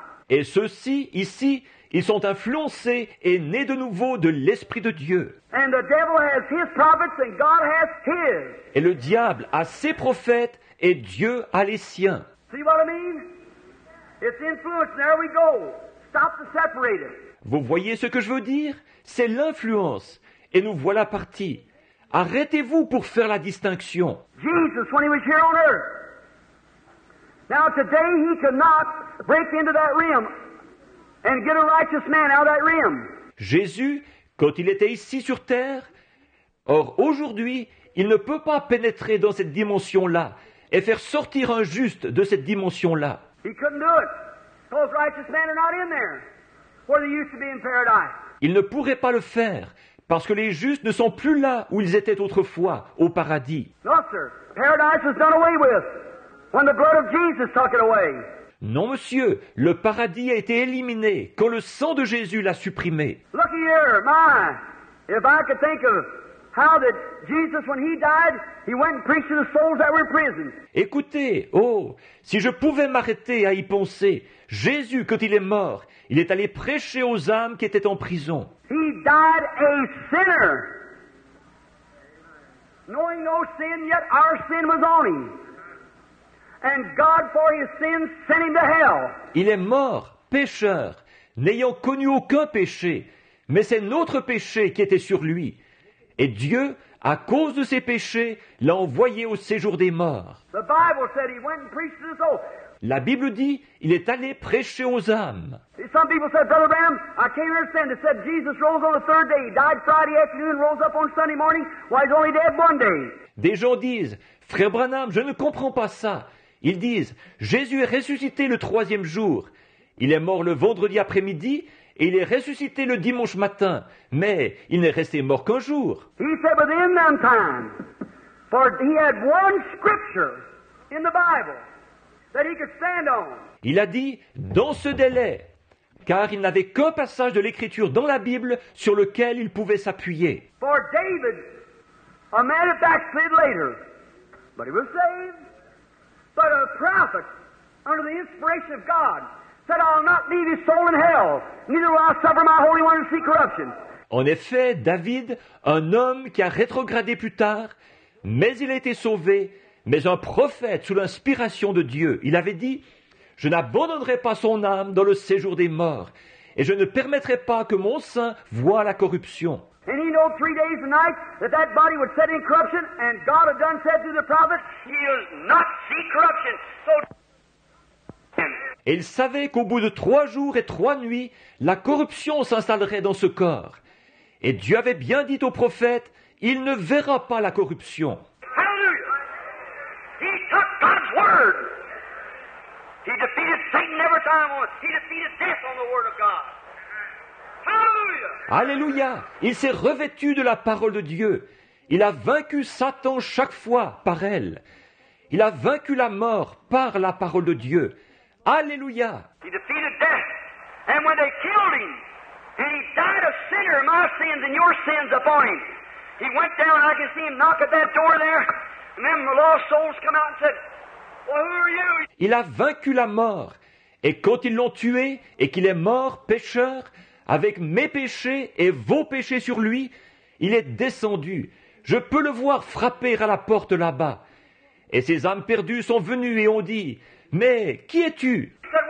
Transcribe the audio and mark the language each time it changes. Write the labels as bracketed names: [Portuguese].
[French] Et ceux-ci, ici, ils sont influencés et nés de nouveau de l'Esprit de Dieu. [English] And the devil has his prophets and God has his. [French] Et le diable a ses prophètes et Dieu a les siens. [English] See what I mean? It's influence. There we go. Stop the separator. [French] Vous voyez ce que je veux dire? C'est l'influence. Et nous voilà partis. Arrêtez-vous pour faire la distinction. [English] Jesus, when he was here on earth. Now today he cannot break into that realm. And get a righteous man out of that realm. [French] Jésus, quand il était ici sur terre, or aujourd'hui, il ne peut pas pénétrer dans cette dimension-là et faire sortir un juste de cette dimension-là. [English] He couldn't do it. Those righteous men are not in there where they used to be in paradise. [French] Il ne pourrait pas le faire parce que les justes ne sont plus là où ils étaient autrefois, au paradis. [English] No, sir. Paradise was done away with when the blood of Jesus took it away. [French] Non, monsieur, le paradis a été éliminé quand le sang de Jésus l'a supprimé. [English] Look here, my, if I could think of how that Jesus, when he died, he went and preached to the souls that were in prison. [French] Écoutez, oh, si je pouvais m'arrêter à y penser, Jésus, quand il est mort, il est allé prêcher aux âmes qui étaient en prison. [English] He died a sinner, knowing no sin, yet our sin was on him. And God for his sins sent him to hell. [French] Il est mort, pécheur, n'ayant connu aucun péché, mais c'est notre péché qui était sur lui. Et Dieu, à cause de ses péchés, l'a envoyé au séjour des morts. [English] The Bible said he went and preached to the soul. [French] La Bible dit, il est allé prêcher aux âmes. [English] Some people said, Brother Bram, I can't understand. It said Jesus rose on the third day. He died Friday afternoon, rose up on Sunday morning. Why, he's only dead one day. [French] Des gens disent, Frère Branham, je ne comprends pas ça. Ils disent, Jésus est ressuscité le troisième jour. Il est mort le vendredi après-midi et il est ressuscité le dimanche matin. Mais il n'est resté mort qu'un jour. [English] He said, but in that time, for he had one scripture in the Bible that he could stand on. [French] Il a dit, dans ce délai, car il n'avait qu'un passage de l'Écriture dans la Bible sur lequel il pouvait s'appuyer. [English] For David, a man of fact slid later, but he was saved. But a prophet, under the inspiration of God, said, I'll not leave his soul in hell, neither will I suffer my holy one to see corruption. [French] En effet, David, un homme qui a rétrogradé plus tard, mais il a été sauvé, mais un prophète sous l'inspiration de Dieu, il avait dit, je n'abandonnerai pas son âme dans le séjour des morts, et je ne permettrai pas que mon sein voie la corruption. [English] And he knew 3 days a night that that body would set in corruption, and God had done said to the prophet, he'll not see corruption. So. [French] Et il savait qu'au bout de 3 jours et 3 nuits, la corruption s'installerait dans ce corps. Et Dieu avait bien dit au prophète, il ne verra pas la corruption. [English] Hallelujah! He took God's word. He defeated Satan every time once. He defeated death on the word of God. [French] Alléluia! Il s'est revêtu de la parole de Dieu. Il a vaincu Satan chaque fois par elle. Il a vaincu la mort par la parole de Dieu. Alléluia! [English] He defeated death. And when they killed him, and he died a sinner, my sins and your sins upon him. He went down, and I can see him knock at that door there. And then the lost souls come out and said, well, who are you? [French] Il a vaincu la mort. Et quand ils l'ont tué et qu'il est mort, pécheur, avec mes péchés et vos péchés sur lui, il est descendu. Je peux le voir frapper à la porte là-bas. Et ses âmes perdues sont venues et ont dit, « Mais qui es-tu ?»